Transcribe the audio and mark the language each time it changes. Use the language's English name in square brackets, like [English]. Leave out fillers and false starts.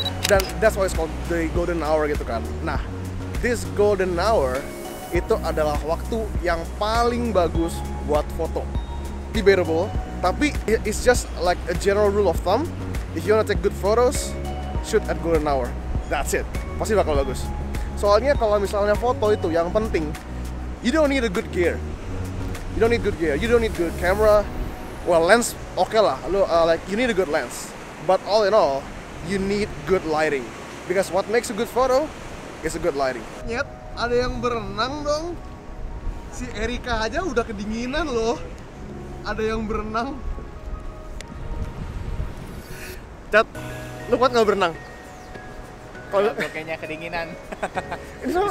[English] Dan that's why it's called the golden hour [Indonesian] gitu kan. Nah, [English] this golden hour [Indonesian] itu adalah waktu yang paling bagus buat foto. [English] Debatable, tapi it's just like a general rule of thumb. If you wanna take good photos, shoot at golden hour. That's it. [Indonesian] Pasti bakal bagus. Soalnya kalau misalnya foto itu yang penting, [English] you don't need a good gear. You don't need good gear. You don't need good camera. Well, lens okay lah. Lo like you need a good lens. But all in all, you need good lighting. Because what makes a good photo is a good lighting. [Indonesian] Nyet, ada yang berenang dong. Si Erika aja udah kedinginan loh. Ada yang berenang. Cat, lu kuat nggak berenang? Kalau kayaknya kedinginan. Ini sekarang,